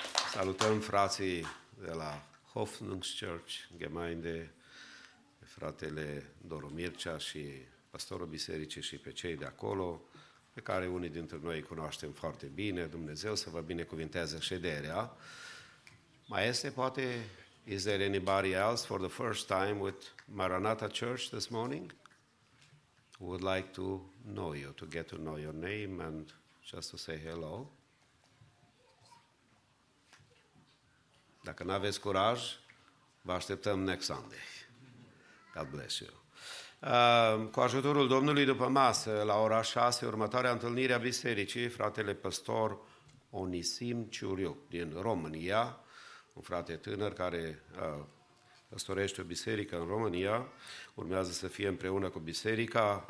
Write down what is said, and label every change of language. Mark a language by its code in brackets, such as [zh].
[ro] Salutăm frații de la Hoffnungskirche Gemeinde, fratele Doru Mircea și pastorul bisericii și pe cei de acolo, pe care unii dintre noi îi cunoaștem foarte bine. Dumnezeu să vă binecuvinteze șederea. [en] Mai este poate, is there anybody else for the first time with Maranatha Church this morning? Would like to know you, to get to know your name and just to say hello. [ro] Dacă n-aveți curaj, vă așteptăm next Sunday. God bless you. Cu ajutorul Domnului, după masă, la ora 6, următoarea întâlnire a bisericii, fratele păstor Onisim Ciuriu din România, un frate tânăr care păstorește o biserică în România, urmează să fie împreună cu biserica.